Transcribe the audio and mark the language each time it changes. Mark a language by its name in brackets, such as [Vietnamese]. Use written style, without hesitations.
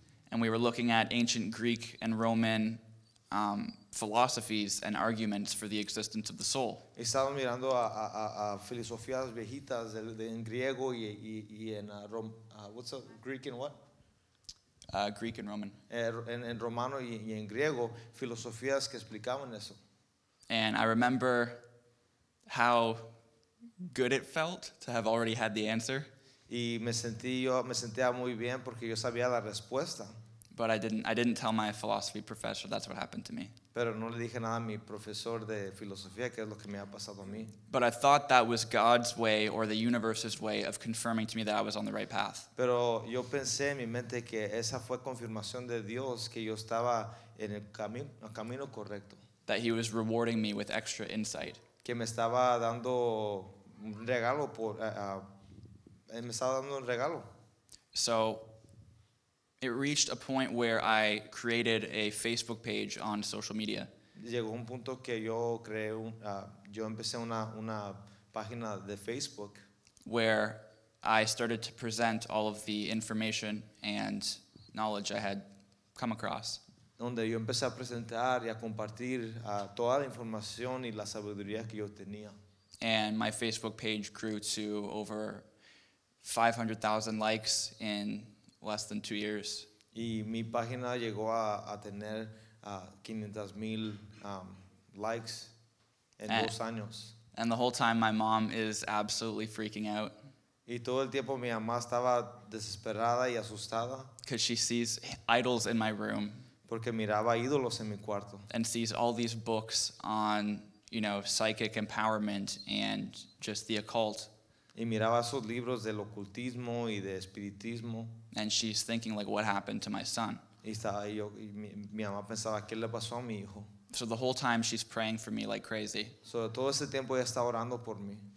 [English] And we were looking at ancient Greek and Roman philosophies and arguments for the existence of the soul. [Spanish] Estaba mirando a filosofías viejitas en griego y en [English] Greek and what? Greek and Roman. [Spanish] En romano y en griego, filosofías que explicaban eso. [English] And I remember how good it felt to have already had the answer. [Spanish] Y me sentía muy bien porque yo sabía la respuesta. [English] But I didn't tell my philosophy professor. That's what happened to me. [Spanish] Pero no le dije nada a mi profesor de filosofía, que es lo que me ha pasado a mí. [English] But I thought that was God's way or the universe's way of confirming to me that I was on the right path. [Spanish] Pero yo pensé en mi mente que esa fue confirmación de Dios que yo estaba en el camino correcto. [English] That he was rewarding me with extra insight. [Spanish] Que me estaba dando un regalo por me estaba dando un regalo. [English] So it reached a point where I created a Facebook page on social media. [Spanish] Llegó un punto que yo creé yo empecé una página de Facebook [English] where I started to present all of the information and knowledge I had come across. [Spanish] Donde yo empecé a presentar y a compartir toda la información y la sabiduría que yo tenía. [English] And my Facebook page grew to over 500,000 likes in less than 2 years. [Spanish] Y mi página llegó a tener 500,000 likes en 2 años. [English] And the whole time my mom is absolutely freaking out. [Spanish] Y todo el tiempo mi mamá estaba desesperada y asustada. [English] Because she sees idols in my room. [Spanish] Porque miraba ídolos en mi cuarto. [English] And sees all these books on, you know, psychic empowerment and just the occult. [Spanish] Y miraba esos libros del ocultismo y de espiritismo. [English] And she's thinking, like, what happened to my son? [Spanish] Mi mamá pensaba, ¿qué le pasó a mi hijo? [English] So the whole time she's praying for me like crazy. [Spanish] So todo ese tiempo ella estaba orando por mí.